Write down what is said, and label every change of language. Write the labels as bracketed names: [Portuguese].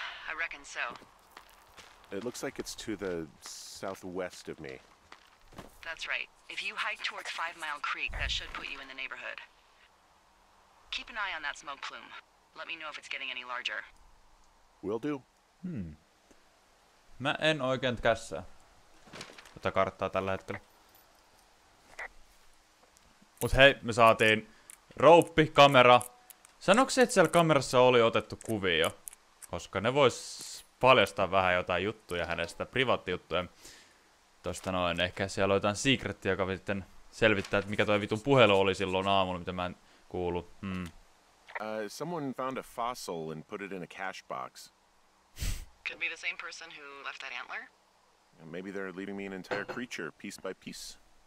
[English] I reckon so. It looks like it's to the southwest of me. That's right. If you hike towards Five Mile Creek, that should put you in the neighborhood. Keep an eye on that smoke plume. Let me know if it's getting any larger. Will do. [Finnish] Mä en oikein kässä tätä karttaa tällä hetkellä. Mut hei, me saatiin rouppi, kamera. Sanoksi, että siellä kamerassa oli otettu kuvia jo? Koska ne vois paljastaa vähän jotain juttuja hänestä, privaattijuttuja. Tosta noin, ehkä siellä on jotain secrettiä, joka sitten selvittää, että mikä toi vitun puhelu oli silloin aamulla, mitä mä en kuulu. [English] Someone found a fossil and put it in a cash box. Could be the same person who left that antler. Maybe they're leaving me an entire creature, piece by piece.